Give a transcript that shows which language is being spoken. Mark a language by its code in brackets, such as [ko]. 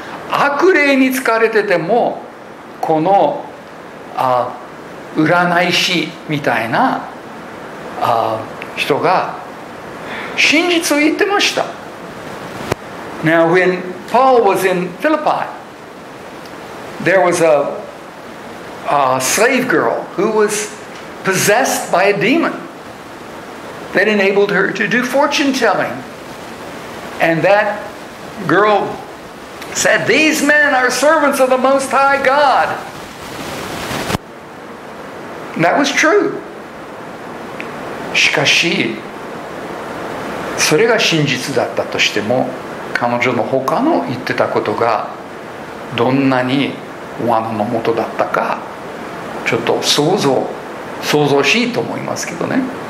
[ja] 悪霊に疲れててもこの占い師みたいな人が真実を言ってました。 [en] Now when Paul was in PhilippiThere was a slave girl who was possessed by a demon that enabled her to do fortune telling. And that girl said, These men are servants of the Most High God. And that was true. [ja] しかし、それが真実だったとしても、彼女の他の言ってたことがどんなに罠の元だったかちょっと想像しいと思いますけどね。